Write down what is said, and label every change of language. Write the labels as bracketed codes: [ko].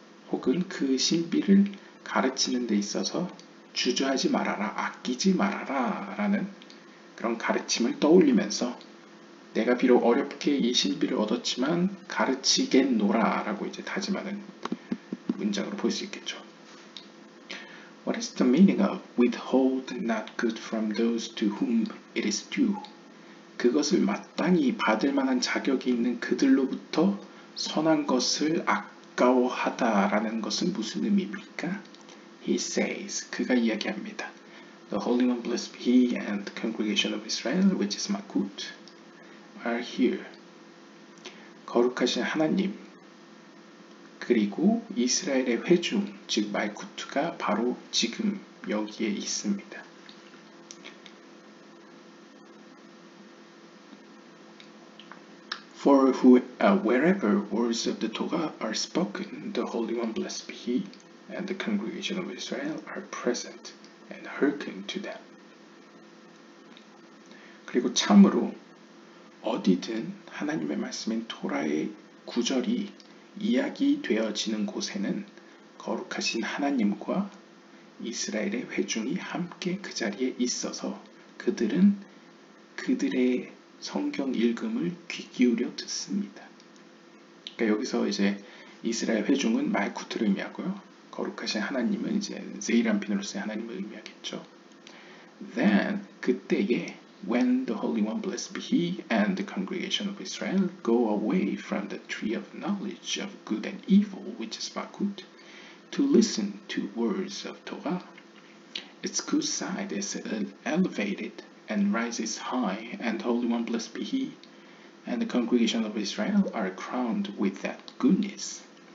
[ko] 혹은 그 신비를 가르치는 데 있어서 주저하지 말아라, 아끼지 말아라 라는 그런 가르침을 떠올리면서 내가 비록 어렵게 이 신비를 얻었지만 가르치겠노라 라고 이제 다짐하는 문장으로 볼 수 있겠죠. [en] What is the meaning of withhold not good from those to whom it is due? [ko] 그것을 마땅히 받을 만한 자격이 있는 그들로부터 선한 것을 아까워하다 라는 것은 무슨 의미입니까? [en] He says, [ko] 그가 이야기합니다. [en] The Holy One, blessed be He and the congregation of Israel, which is Makut, are here. [ko] 거룩하신 하나님, 그리고 이스라엘의 회중, 즉 말쿠트가 바로 지금 여기에 있습니다. [en] For who, wherever words of the Torah are spoken, the Holy One, blessed be He, and the congregation of Israel are present and hearken to them. [ko] 그리고 참으로 어디든 하나님의 말씀인 토라의 구절이 이야기되어지는 곳에는 거룩하신 하나님과 이스라엘의 회중이 함께 그 자리에 있어서 그들은 그들의 성경 읽음을 귀 기울여 듣습니다. 그러니까 여기서 이제 이스라엘 회중은 말쿠트를 의미하고요. 거룩하신 하나님은 이제 제이람핀으로서의 하나님을 의미하겠죠. [en] Then [ko] 그때에 [en] When the Holy One, blessed be He, and the congregation of Israel go away from the tree of knowledge of good and evil, which is Malkut, to listen to words of Torah, its good side is elevated and rises high, and the Holy One, blessed be He, and the congregation of Israel are crowned with that goodness.